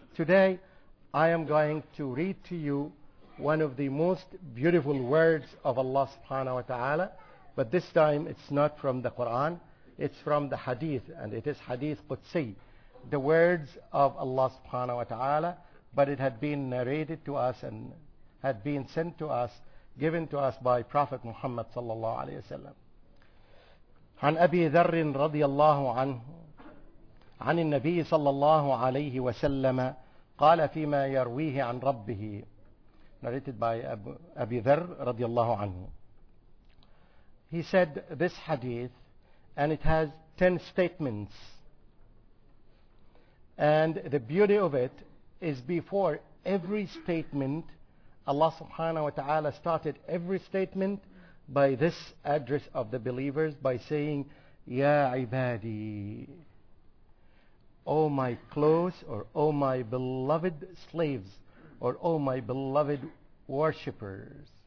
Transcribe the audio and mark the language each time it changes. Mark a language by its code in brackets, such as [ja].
[en] Today, I am going to read to you one of the most beautiful words of Allah subhanahu wa ta'ala, but this time it's not from the Quran. It's from the hadith, and it is hadith Qudsi, the words of Allah subhanahu wa ta'ala, but it had been narrated to us and had been sent to us, given to us by Prophet Muhammad sallallahu alayhi wa sallam. [ar] عن أبي ذر رضي الله عنه عن النبي صلى الله عليه وسلم قال فيما يرويه عن ربه. [en] Narrated by أبي ذر [ar] رضي الله عنه. [en] He said this hadith, and it has 10 statements. And the beauty of it is before every statement, Allah subhanahu wa ta'ala started every statement by this address of the believers by saying, Ya ibadi, O my close, or O my beloved slaves, or O my beloved worshippers.